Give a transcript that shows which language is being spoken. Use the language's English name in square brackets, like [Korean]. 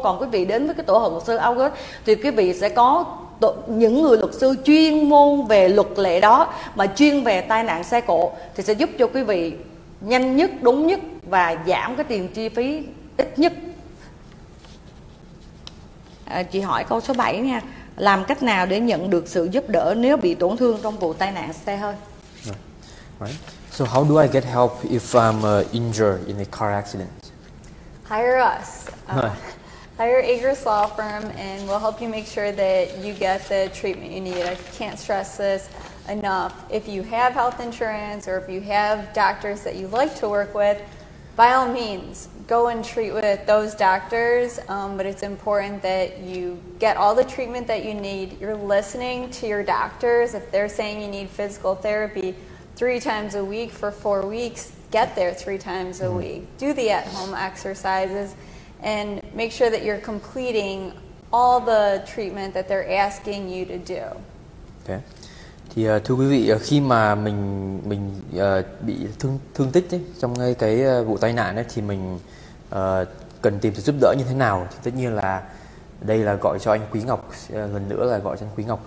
[Vietnamese] Còn quý vị đến với cái tổ hợp luật sư August thì quý vị sẽ có những người luật sư chuyên môn về luật lệ đó, mà chuyên về tai nạn xe cộ, thì sẽ giúp cho quý vị nhanh nhất, đúng nhất và giảm cái tiền chi phí ít nhất. Chị hỏi câu số 7 nha. Làm cách nào để nhận được sự giúp đỡ nếu bị tổn thương trong vụ tai nạn xe hơi? [English] So how do I get help if I'm injured in a car accident? Hire us. Hire Agruss Law Firm and we'll help you make sure that you get the treatment you need. I can't stress this enough. If you have health insurance or if you have doctors that you like to work with, by all means, go and treat with those doctors. But it's important that you get all the treatment that you need. You're listening to your doctors. If they're saying you need physical therapy 3 times a week for 4 weeks, get there 3 times a week. Do the at-home exercises and make sure that you're completing all the treatment that they're asking you to do. Okay. [Vietnamese] Thì thưa quý vị, khi mà mình bị thương tích ấy, trong ngay cái vụ tai nạn ấy, thì mình cần tìm sự giúp đỡ như thế nào? Thì tất nhiên là đây là gọi cho anh Quý Ngọc, lần nữa là gọi cho anh Quý Ngọc.